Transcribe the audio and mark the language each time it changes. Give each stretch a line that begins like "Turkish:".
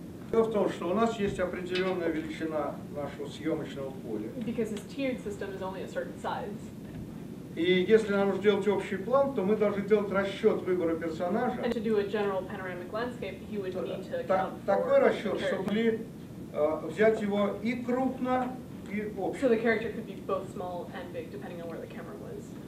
Russian: Дело в том, что у нас есть определенная величина нашего съемочного поля.
English: Because this tiered system is only a certain size.
Russian: И если нам нужно делать общий план, то мы должны делать расчет выбора персонажа.
English: And to do a general panoramic landscape, he would need to count for
Russian: такой расчет, чтобы взять его и крупно, и общий.
English: So the character could be both small and big, depending on where the camera was.